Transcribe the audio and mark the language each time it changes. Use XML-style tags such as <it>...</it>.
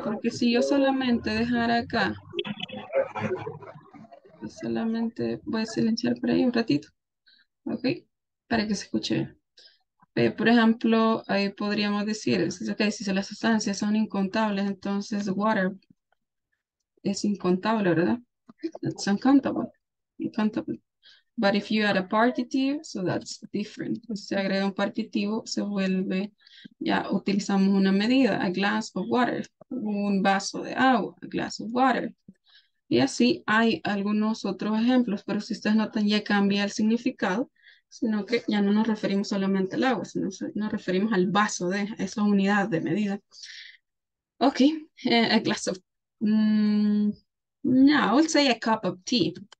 <es>Porque si yo solamente dejara acá, solamente voy a silenciar por ahí un ratito, ¿ok? Para que se escuche. Por ejemplo, ahí podríamos decir, okay, si las sustancias son incontables, entonces water es incontable, ¿verdad?</es> <en>That's uncountable. But if you add a partitive, so that's different.</en> <es>Si se agrega un partitivo, se vuelve, ya utilizamos una medida, a glass of water, un vaso de agua, a glass of water. Y así hay algunos otros ejemplos, pero si ustedes notan, ya cambia el significado. Sino que ya no nos referimos solamente al agua, sino nos referimos al vaso de esa unidad de medida.</es> <en>Ok, a glass of... no, I would say a cup of tea.</en>